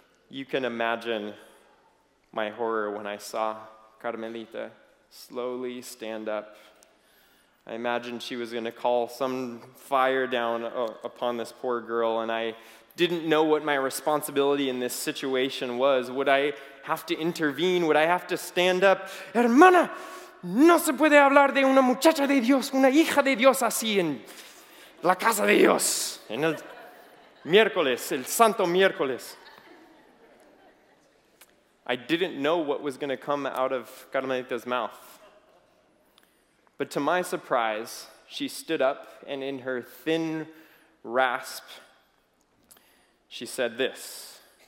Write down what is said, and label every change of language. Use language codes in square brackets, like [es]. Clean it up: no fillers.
[en] You can imagine my horror when I saw Carmelita slowly stand up. I imagined she was going to call some fire down upon this poor girl, and I didn't know what my responsibility in this situation was. Would I have to intervene? Would I have to stand up? [es] Hermana, no se puede hablar de una muchacha de Dios, una hija de Dios así en la casa de Dios, en el miércoles, el santo miércoles. [en] I didn't know what was going to come out of Carmelita's mouth. But to my surprise, she stood up and in her thin rasp, she said this.